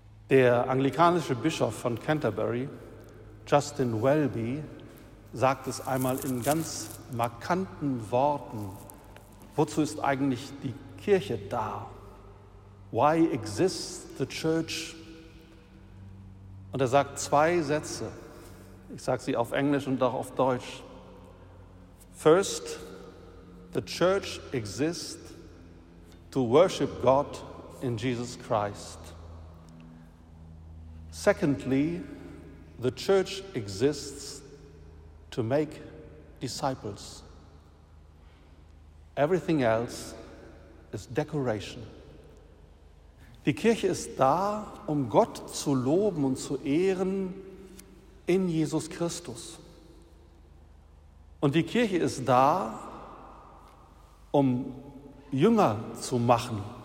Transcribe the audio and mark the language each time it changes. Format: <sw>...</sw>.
<de>Der anglikanische Bischof von Canterbury, Justin Welby, sagt es einmal in ganz markanten Worten. Wozu ist eigentlich die Kirche da?</de> <en>Why exists the church?</en> <de>Und er sagt zwei Sätze. Ich sage sie auf Englisch und auch auf Deutsch.</de> <en>First, the church exists to worship God in Jesus Christ. Secondly, the church exists to make disciples. Everything else is decoration.</en> <de>Die Kirche ist da, um Gott zu loben und zu ehren in Jesus Christus. Und die Kirche ist da, um Jünger zu machen.</de>